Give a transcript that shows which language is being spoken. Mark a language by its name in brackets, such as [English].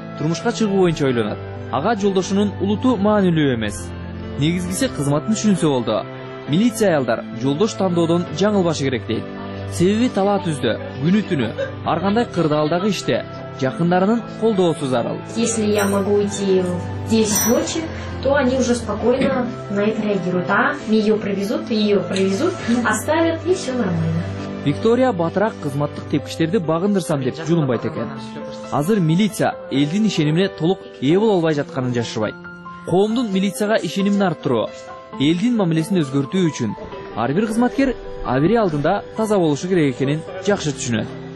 [Kyrgyz] Турмушка чыгуу боюнча ойлонот. Ага жолдошунун улуту маанилүү эмес. Негизгиси кызматын түшүнсө болду. Милиция аялдар жолдош тандоодон жаңылбашы керек дейт. Себеби талаа түздө, күнү түнү, ар кандай кырдаалдагы иште жакындарынын колдоосу зарыл. [Russian] Если я могу уйти в 10 ночи, то они уже спокойно на это реагируют. А её привезут, её привезут, оставят и всё нормально. [Kyrgyz] Виктория батырак кызматтык тепкичтерди багындырсам деп жулунбайт экен. Азыр милиция элдин ишенимине толук ээ боло албай жатканын жашырбайт. Коомдун милицияга ишенимин арттыруу, элдин мамилесин өзгөртүү үчүн ар бир кызматкер абири алдында таза болушу керек экенин жакшы түшүнөт.